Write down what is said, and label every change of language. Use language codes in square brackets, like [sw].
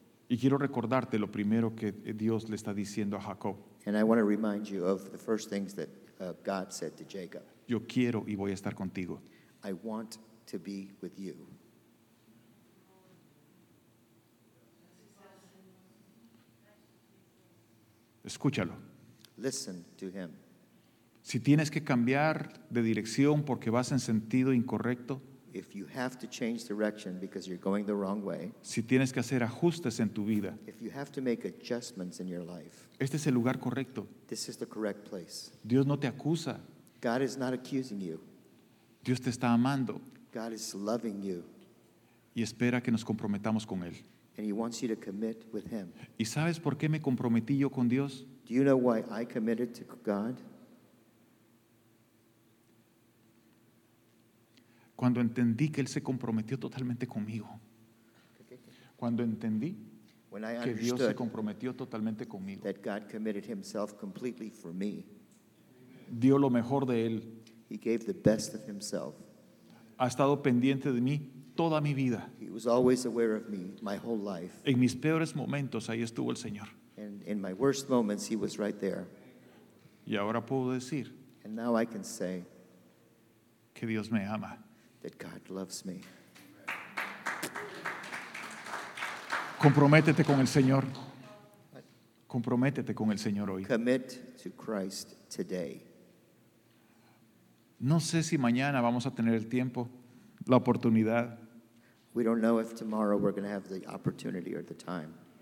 [es] Y quiero recordarte lo primero que Dios le está diciendo a Jacob. [en] And I want to remind you of the first things that God said to Jacob. [es] Yo quiero y voy a estar contigo. [en] I want to be with you. [es] Escúchalo. [en] Listen to him. [es] Si tienes que cambiar de dirección porque vas en sentido incorrecto, [en] if you have to change direction because you're going the wrong way, [es] si tienes que hacer ajustes en tu vida, [en] if you have to make adjustments in your life, [es] este es el lugar correcto. [en] This is the correct place. [es] Dios no te acusa. [en] God is not accusing you. [es] Dios te está amando. [en] God is loving you. [es] Y espera que nos comprometamos con él. [en] And he wants you to commit with him. [es] ¿Y sabes por qué me comprometí yo con Dios? [en] Do you know why I committed to God? [es] Cuando entendí que él se comprometió totalmente conmigo. Cuando entendí que Dios se comprometió totalmente conmigo. [en] That God committed himself completely for me. [es] Dio lo mejor de él. [en] He gave the best of himself. [es] Ha estado pendiente de mí toda mi vida. [en] He was always aware of me my whole life. [es] En mis peores momentos ahí estuvo el Señor. [en] And in my worst moments he was right there. [es] Y ahora puedo decir. [en] And now I can say. [es] Que Dios me ama. [en] That God loves me. [es] Comprométete con el Señor. Comprométete con el Señor hoy. [en] Commit to Christ today. [es] No sé si mañana vamos a tener el tiempo, la oportunidad. [en] We don't know if tomorrow we're going to have the opportunity or the time.